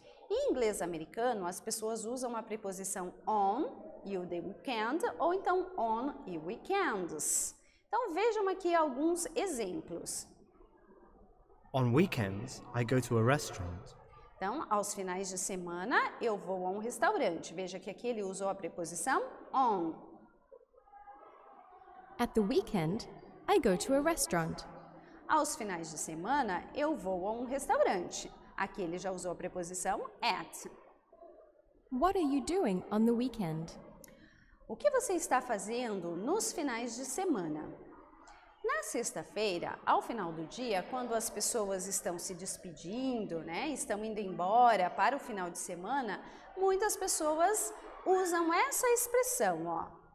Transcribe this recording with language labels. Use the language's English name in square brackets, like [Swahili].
[Portuguese] Em inglês americano, as pessoas usam a preposição on e o the weekend, ou então on e weekends. Então vejam aqui alguns exemplos. [English] On weekends, I go to a restaurant. [Portuguese] Então, aos finais de semana, eu vou a um restaurante. Veja que aqui ele usou a preposição on. [English] At the weekend, I go to a restaurant. [Portuguese] Aos finais de semana, eu vou a um restaurante. Aqui ele já usou a preposição at. [English] What are you doing on the weekend? [Portuguese] O que você está fazendo nos finais de semana? Na sexta-feira, ao final do dia, quando as pessoas estão se despedindo, né, estão indo embora para o final de semana, muitas pessoas usam essa expressão, ó.